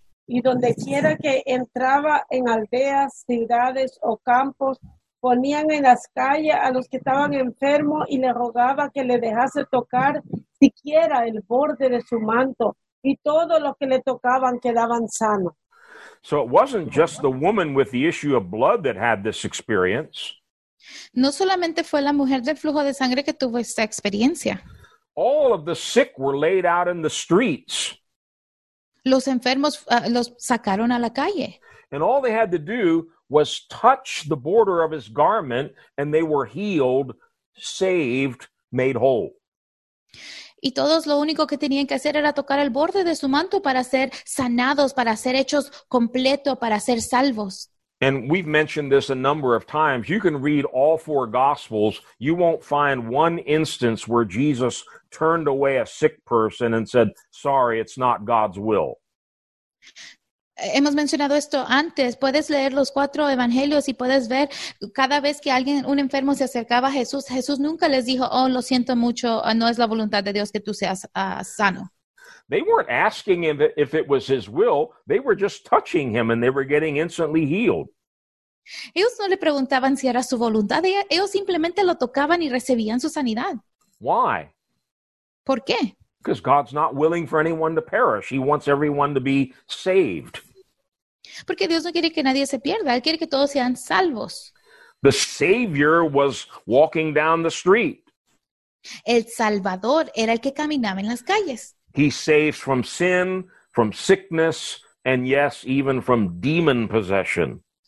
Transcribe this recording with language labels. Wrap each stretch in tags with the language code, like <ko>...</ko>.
<es>Y donde quiera que entraba en aldeas, ciudades o campos, ponían en las calles a los que estaban enfermos y le rogaba que le dejase tocar siquiera el borde de su manto y todos los que le tocaban quedaban sanos.</es> <en>So it wasn't just the woman with the issue of blood that had this experience.</en> <es>No solamente fue la mujer del flujo de sangre que tuvo esta experiencia.</es> <en>All of the sick were laid out in the streets.</en> <es>Los enfermos los sacaron a la calle.</es> <en>And all they had to do was touch the border of his garment, and they were healed, saved, made whole.</en> <es>Y todos lo único que tenían que hacer era tocar el borde de su manto para ser sanados, para ser hechos completo, para ser salvos.</es> <en>And we've mentioned this a number of times. You can read all four Gospels. You won't find one instance where Jesus turned away a sick person and said, sorry, it's not God's will.</en> <es>Hemos mencionado esto antes. Puedes leer los cuatro evangelios y puedes ver cada vez que alguien, un enfermo se acercaba a Jesús, Jesús nunca les dijo, oh, lo siento mucho, no es la voluntad de Dios que tú seas sano.</es> <en>They weren't asking him if it was his will. They were just touching him and they were getting instantly healed.</en> <es>Ellos no le preguntaban si era su voluntad. Ellos simplemente lo tocaban y recibían su sanidad.</es> <en>Why?</en> <es>¿Por qué?</es> <en>Because God's not willing for anyone to perish. He wants everyone to be saved.</en> <es>Porque Dios no quiere que nadie se pierda. Él quiere que todos sean salvos.</es> <en>The Savior was walking down the street.</en> <es>El Salvador era el que caminaba en las calles.</es> <en>He saves from sin, from sickness, and yes, even from demon possession.</en>